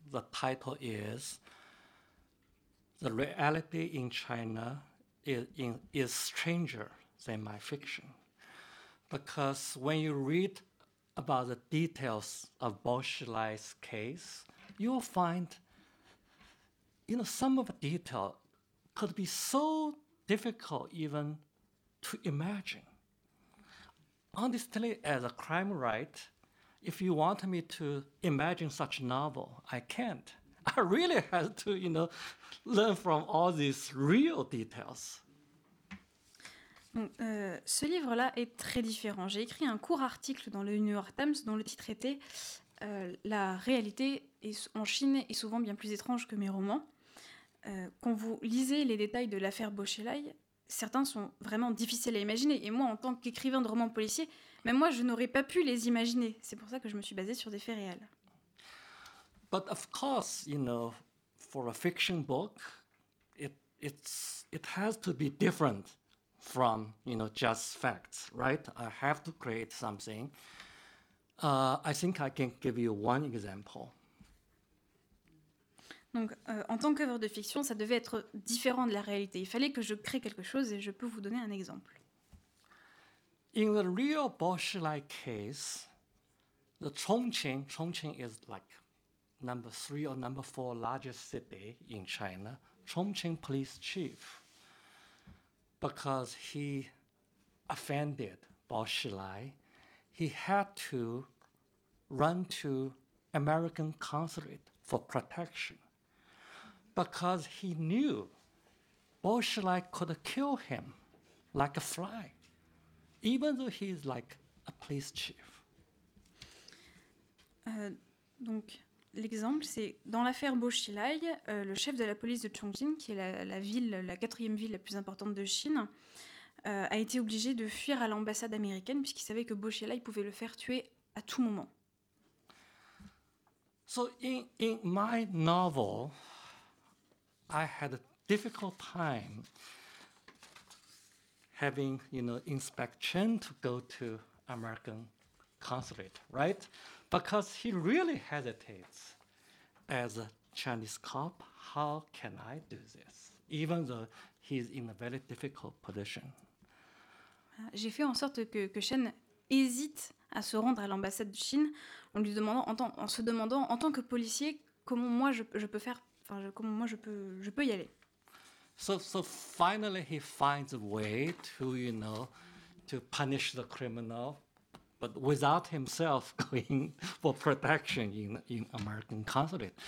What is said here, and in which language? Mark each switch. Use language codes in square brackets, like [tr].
[en] The title is "The Reality in China is Stranger Than My Fiction," because when you read about the details of Bo Xilai's case, you will find, you know, some of the detail could be so difficult even to imagine. Honestly, as a crime writer, if you want me to imagine such a novel, I can't. I really had to, you know, learn from all these real details. [fr] Ce livre-là est très différent. J'ai écrit un court article dans le New York Times dont le titre était La réalité en Chine est souvent bien plus étrange que mes romans. Quand vous lisez les détails de l'affaire Bo Xilai, certains sont vraiment difficiles à imaginer. Et moi, en tant qu'écrivain de romans policiers, même moi, je n'aurais pas pu les imaginer. C'est pour ça que je me suis basée sur des faits réels. [en] But of course, you know, for a fiction book, it has to be different from, you know, just facts, right? I have to create something. I think I can give you one example. [fr] Donc, en tant qu'œuvre de fiction, ça devait être différent de la réalité. Il fallait que je crée quelque chose et je peux vous donner un exemple. [en] In the real Bo Xilai case, the Chongqing is like number three or number four largest city in China, Chongqing police chief, because he offended Bo Xilai, he had to run to American consulate for protection, because he knew Bo Xilai could kill him like a fly, even though he is like a police chief. [fr] L'exemple, c'est dans l'affaire Bo Xilai, le chef de la police de Chongqing, qui est la quatrième ville la plus importante de Chine, a été obligé de fuir à l'ambassade américaine puisqu'il savait que Bo Xilai pouvait le faire tuer à tout moment. [en] So in my novel, I had a difficult time having, you know, Inspector Chen to go to American consulate, right? Because he really hesitates. as a Chinese cop, how can I do this? Even though he's in a very difficult position. [fr] J'ai fait en sorte que Chen hésite à se rendre à l'ambassade de Chine en lui demandant, en se demandant en tant que policier, comment moi je peux faire, enfin comment moi je peux y aller. [en] So finally he finds a way to, you know, to punish the criminal, but without himself going for protection in American consulate.